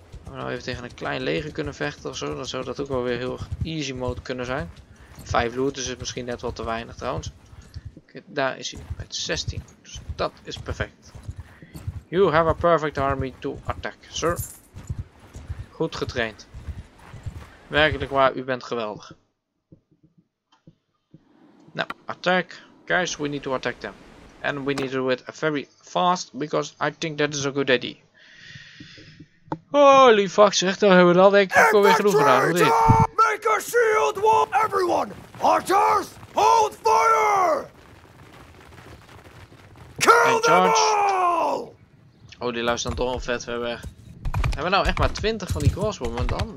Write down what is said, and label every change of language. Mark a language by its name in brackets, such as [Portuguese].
[Dutch] Nou even tegen een klein leger kunnen vechten ofzo, dan zou dat ook wel weer heel easy mode kunnen zijn. 5 loot is het misschien net wat te weinig trouwens. Kijk, daar is hij met 16, dus dat is perfect. [English] You have a perfect army to attack, sir. [Dutch] Goed getraind. Werkelijk waar, u bent geweldig. [English] Nou, attack. Guys, we need to attack them. And we need to do it very fast, because I think that is a good idea. [Dutch] Holy fuck, zeg, dan hebben we dan denk ik alweer genoeg gedaan, of niet? [English] Make a shield wall! Everyone! Archers! Hold fire! Kill them all! [Dutch] Oh, die luistert dan toch al vet ver weg. Hebben we nou echt maar 20 van die crossbowmen dan?